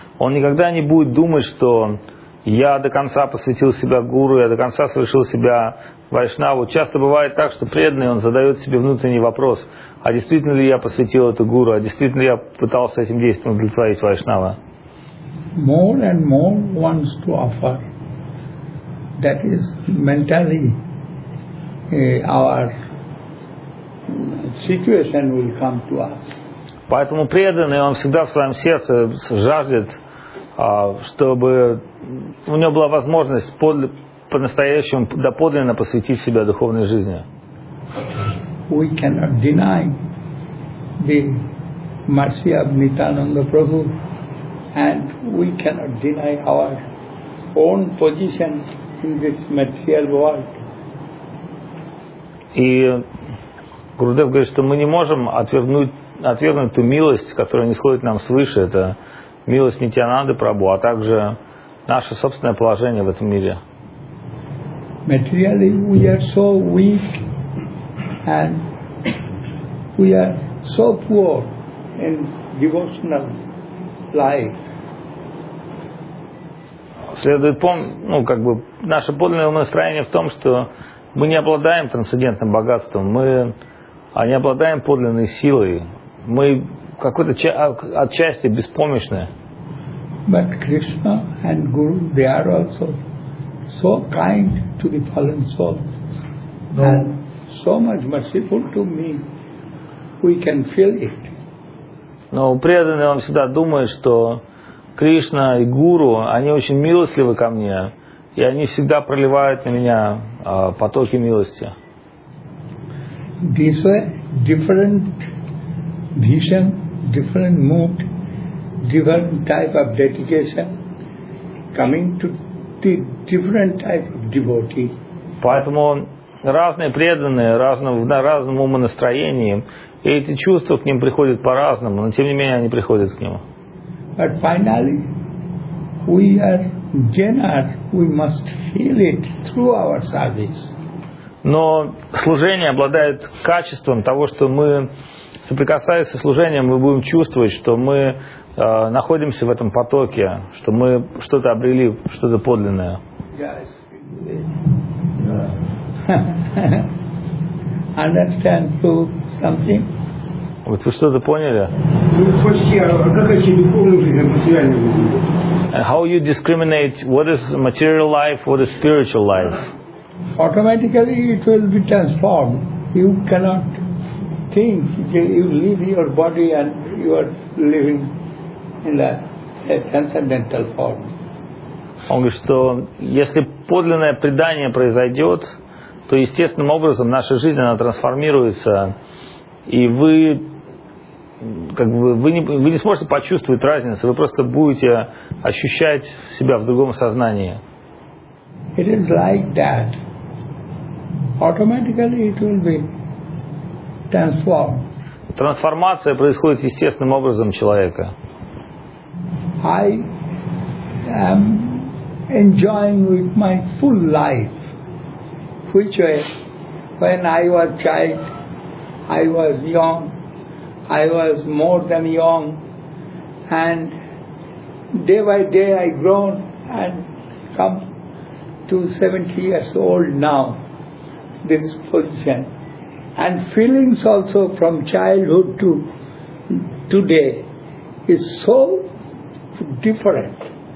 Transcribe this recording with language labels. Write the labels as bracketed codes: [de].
[ru] Он никогда не будет думать, что я до конца посвятил себя гуру, я до конца совершил себя вайшнаву. Часто бывает так, что преданный, он задает себе внутренний вопрос, а действительно ли я посвятил эту гуру, а действительно ли я пытался этим действием удовлетворить вайшнава. [en] More and more wants to offer. That is mentally our situation will come to us. [ru] Поэтому преданный, он всегда в своем сердце жаждет, чтобы у него была возможность по-настоящему, доподлинно посвятить себя духовной жизни. [en] We cannot deny the mercy of Nityananda Prabhu, and we cannot deny our own position in this material world. [ru] И Гурудев говорит, что мы не можем отвергнуть ту милость, которая нисходит нам свыше. Это милость Нитьянанды Прабху, а также наше собственное положение в этом мире. [en] Materially we are so weak and we are so poor in devotional life. [ru] Следует помнить, ну, как бы, наше подлинное настроение в том, что мы не обладаем трансцендентным богатством, не обладаем подлинной силой, мы какой-то отчасти беспомощны. [en] But Krishna and Guru, they are also so kind to the fallen souls and so much merciful to me, we can feel it. [ru] Но преданные вам всегда думают, что Кришна и Гуру, они очень милостливы ко мне, и они всегда проливают на меня потоки милости. [en] This way, different vision, different mood, different type of dedication, coming to the different type of devotee. [ru] Поэтому разные преданные, разному умонастроению, и эти чувства к ним приходят по-разному, но тем не менее они приходят к нему. [en] But finally, we are jnanas, we must feel it through our service. [ru] Но служение обладает качеством того, что мы, соприкасаясь со служением, мы будем чувствовать, что мы находимся в этом потоке, что мы что-то обрели, что-то подлинное. [en] Yes. Understand something? [ru] Вот вы что-то поняли? Ну, почти, а как вообще духовную жизнь, материальную жизнь? [en] How you discriminate what is material life, what is spiritual life? Automatically it will be transformed. You cannot think that you leave your body and you are living in a transcendental form. [ru] Он говорит, что если подлинное предание произойдет, то естественным образом наша жизнь, она трансформируется, и вы как бы вы не сможете почувствовать разницу, вы просто будете ощущать себя в другом сознании. [en] It is like that. Automatically it will be transformed. [ru] Трансформация происходит естественным образом человека. [en] I am enjoying with my full life, which way, when I was child, I was young, I was more than young, and day by day I grown and come to 70 years old now, this position, and feelings also from childhood to today is so different.